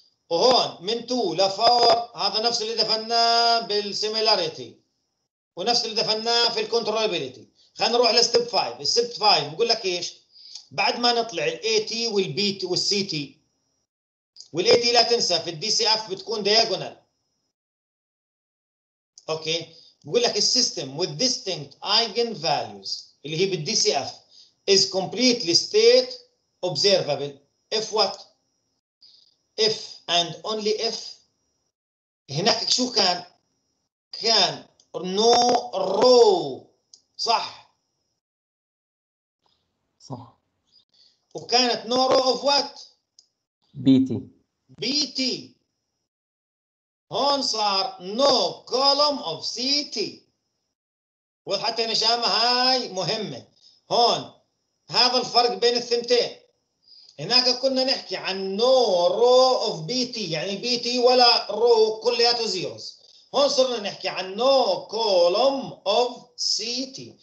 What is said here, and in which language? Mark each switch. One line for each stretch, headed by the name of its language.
Arabic: وهون من 2 ل 4 هذا نفس اللي دفناه بالسيميلاريتي ونفس اللي دفناه في الكنترولابيلتي. خلينا نروح لستيب 5، الستيب 5 بقول لك ايش؟ بعد ما نطلع الـ AT والـ BT والـ CT، والـ AT لا تنسى في الـ DCF بتكون diagonal.
English: Okay?
Arabic: بقول لك
English: الـ system with distinct eigenvalues
Arabic: اللي هي بالـ
English: DCF is completely state observable if what? If and only if
Arabic: هناك شو كان؟ كان
English: no rho.
Arabic: صح؟ صح.
English: وكانت no row of what؟ bt. bt.
Arabic: هون صار
English: no column of ct.
Arabic: وحتى نشامة هاي مهمة. هون هذا الفرق بين الثنتين. هناك كنا نحكي عن
English: no row of bt،
Arabic: يعني bt ولا row كلياته zeros. هون صرنا نحكي عن
English: no column of ct.